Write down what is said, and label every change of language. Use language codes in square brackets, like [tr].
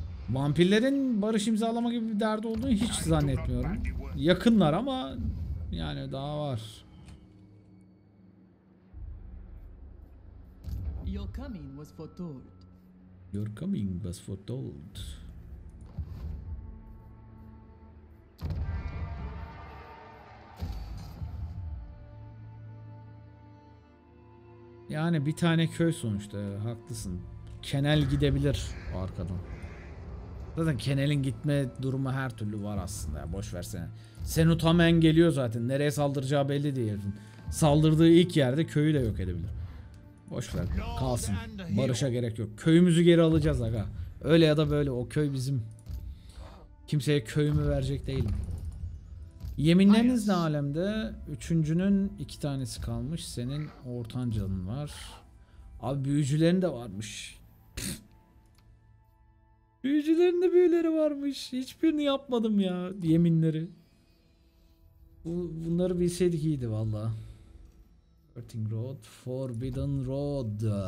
[tr] Vampirlerin barış imzalama gibi bir derdi olduğunu hiç zannetmiyorum. Yakınlar ama yani daha var. [en] Your coming was foretold. Your coming was foretold. [tr] Yani bir tane köy sonuçta, haklısın. Kenel gidebilir o arkadan. Zaten Kenel'in gitme durumu her türlü var aslında ya, boş versene. Senutamen geliyor zaten, nereye saldıracağı belli değil. Saldırdığı ilk yerde köyü de yok edebilir. Boşver kalsın, barışa gerek yok. Köyümüzü geri alacağız aga. Öyle ya da böyle o köy bizim. Kimseye köyümü verecek değilim. Yeminleriniz ne alemde? Üçüncünün iki tanesi kalmış. Senin ortancanın var. Abi büyücülerin de varmış. Büyücülerin de büyüleri varmış. Hiçbirini yapmadım ya, yeminleri. Bunları bilseydik iyiydi valla. Forbidden Road, Forbidden Road.